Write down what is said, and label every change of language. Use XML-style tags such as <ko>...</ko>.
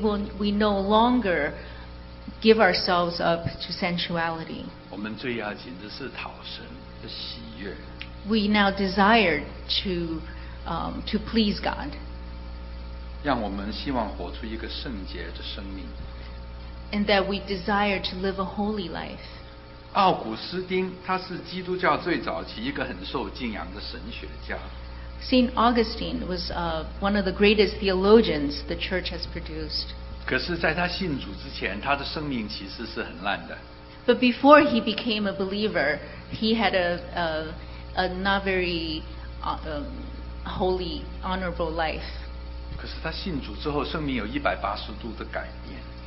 <en>We no longer give ourselves up to sensuality.</en> <zh>我们最要紧的是讨神的喜悦。</zh> <en>We now desire to please God.</en> <zh>让我们希望活出一个圣洁的生命。</zh> <en>And that we desire to live a holy life.</en> <zh>奥古斯丁他是基督教最早期一个很受敬仰的神学家。</zh> <en>Saint Augustine was one of the greatest theologians the church has produced.</en> <zh>可是在他信主之前，他的生命其实是很烂的。</zh> <en>But before he became a believer, he had a not very holy, honorable life.</en> <zh>可是他信主之后，生命有180度的改变。</zh>